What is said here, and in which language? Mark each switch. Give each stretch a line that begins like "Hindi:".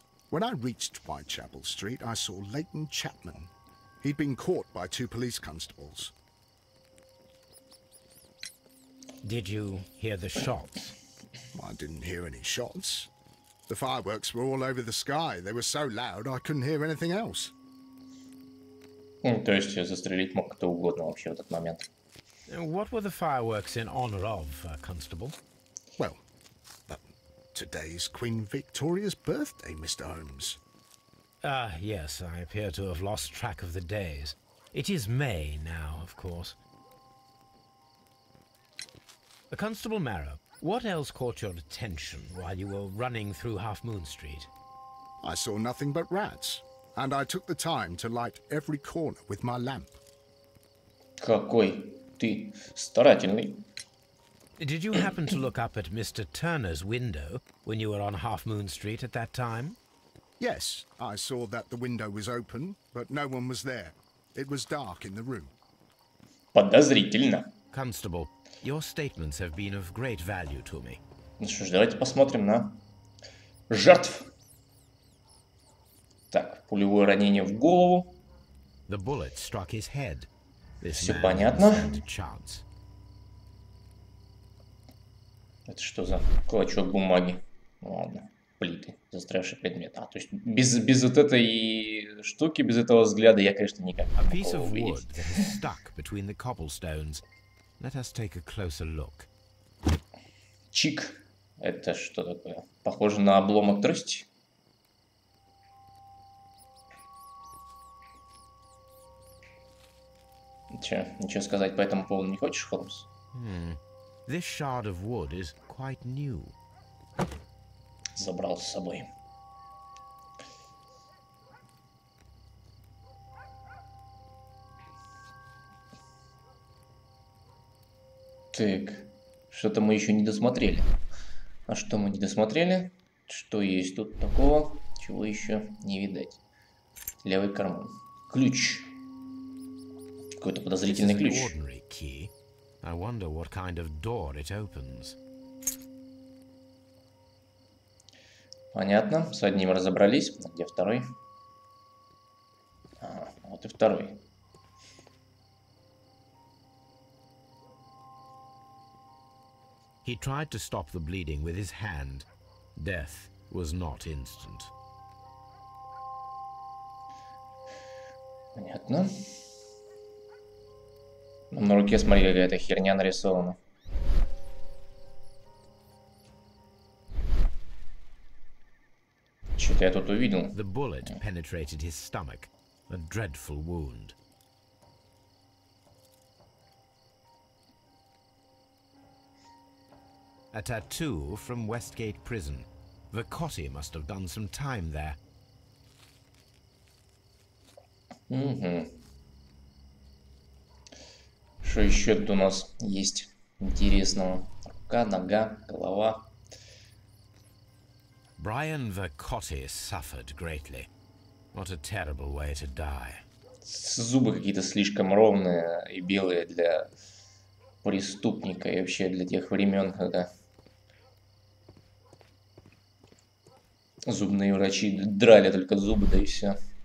English: When I reached Whitechapel Street, I saw Leighton Chapman. He'd been caught by two police constables. Did you hear the shots? I didn't hear any shots. The fireworks were all over the sky. They were so loud I couldn't hear anything else.
Russian: То есть застрелить мог кто угодно вообще в этот момент.
English: What were the fireworks in honor of, Constable? Well, but today's Queen Victoria's birthday, Mr. Holmes. Yes, I appear to have lost track of the days. It is May now, of course. Constable Marrow, what else caught your attention while you were running through Half Moon Street? I saw nothing but rats, and I took the time to light every corner with my lamp.
Russian: Какой ты старательный.
English: Did you happen to look up at Mr. Turner's window when you were on Half Moon Street at that time? Yes, I saw that the window was open, but no one was there. It was dark in the room.
Russian: Подозрительно.
English: Constable, your statements have been of great value to me.
Russian: Ну что ж, давайте посмотрим на жертв. Так, пулевое ранение в голову.
English: The bullet struck his head.
Russian: Все понятно. Это что за клочок бумаги? Ладно, плиты, застрявший предмет. А, то есть без вот этой штуки, без этого взгляда я, конечно, никак не могу увидеть.
English: A piece of wood that is stuck between the cobblestones. Let us take a closer look.
Russian: Чик. Это что такое? Похоже на обломок трости. Че, ничего сказать по этому поводу не хочешь, Холмс?
English: This shard of wood is quite new.
Russian: Забрал с собой. Так, что-то мы еще не досмотрели. А что мы не досмотрели? Что есть тут такого, чего еще не видать? Левый карман. Ключ. Какой-то подозрительный ключ.
English: I wonder what kind of door it opens.
Russian: Понятно, с одним разобрались. Где второй? А, вот и второй.
English: He tried to stop the bleeding with his hand. Death was not instant.
Russian: Понятно. На руке, смотри, какая-то херня нарисована. Что-то я тут увидел.
English: The bullet penetrated his stomach, a dreadful wound. A tattoo from Westgate Prison. Vicotti must have done some time there.
Russian: Что еще тут у нас есть интересного? Рука, нога, голова.
English: Brian Vicotti suffered greatly. What a terrible way to die.
Russian: Зубы какие-то слишком ровные и белые для преступника и вообще для тех времен, когда зубные врачи драли только зубы, да и все.